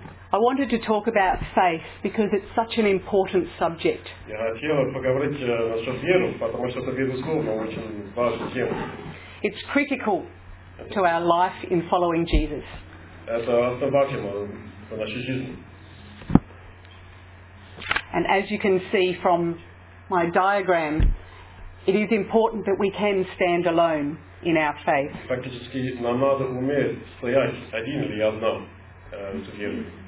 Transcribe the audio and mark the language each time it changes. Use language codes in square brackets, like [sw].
[en] I wanted to talk about faith because it's such an important subject. [ru] Я хотел поговорить насчет веры, потому что это, безусловно, очень важная тема. [en] It's critical to our life in following Jesus. [ru] Это основательно для нашей жизни. [en] And as you can see from my diagram, it is important that we can stand alone in our faith. [ru] Фактически, нам надо уметь стоять один или одна с верой.